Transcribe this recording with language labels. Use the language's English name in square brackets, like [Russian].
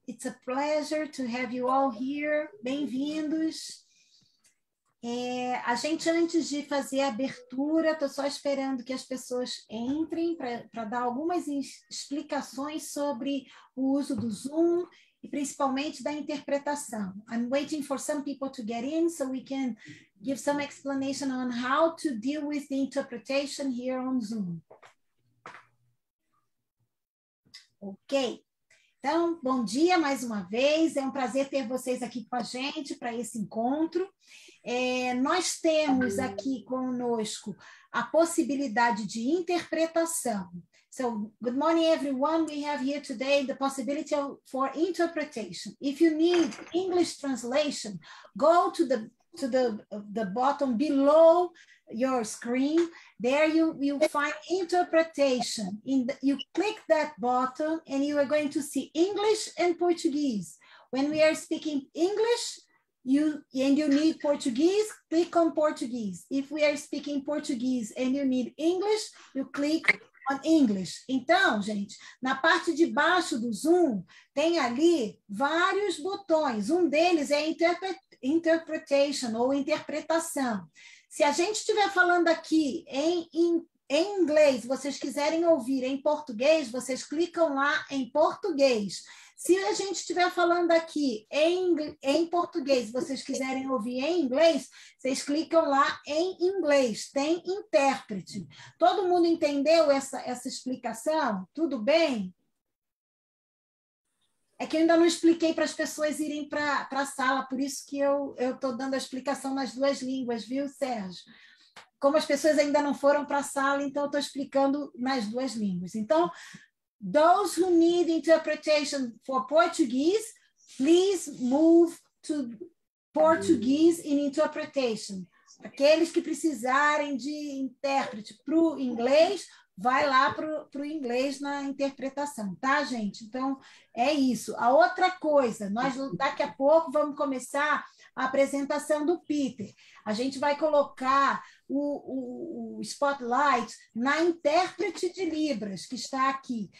[English] It's a pleasure to have you all here. [Portuguese] Bem-vindos. É, a gente, antes de fazer a abertura, estou só esperando que as pessoas entrem para dar algumas explicações sobre o uso do Zoom e principalmente da interpretação. [English] I'm waiting for some people to get in so we can give some explanation on how to deal with the interpretation here on Zoom. [Portuguese] Ok. Então, bom dia mais uma vez. É um prazer ter vocês aqui com a gente para esse encontro. É, nós temos aqui conosco a possibilidade de interpretação. [English] So, good morning, everyone. We have here today the possibility for interpretation. If you need English translation, go to the bottom below your screen. There you find interpretation. You click that button and you are going to see English and Portuguese. When we are speaking English, you need Portuguese, click on Portuguese. If we are speaking Portuguese and you need English, you click on English. [Portuguese] Então, gente, na parte de baixo do Zoom, tem ali vários botões. Um deles é interpretation ou interpretação. Se a gente estiver falando aqui em inglês, vocês quiserem ouvir em português, vocês clicam lá em português. Se a gente estiver falando aqui em português, vocês quiserem ouvir em inglês, vocês clicam lá em inglês, tem intérprete. Todo mundo entendeu essa explicação? Tudo bem? É que eu ainda não expliquei para as pessoas irem para a sala, por isso que eu estou dando a explicação nas duas línguas, viu, Sérgio? Como as pessoas ainda não foram para a sala, então eu estou explicando nas duas línguas. [English] Então, those who need interpretation for Portuguese, please move to Portuguese in interpretation. [Portuguese] Aqueles que precisarem de intérprete para o inglês, vai lá para o inglês na interpretação, tá, gente? Então, é isso. A outra coisa, nós daqui a pouco vamos começar a apresentação do Peter. A gente vai colocar o spotlight na intérprete de Libras, que está aqui.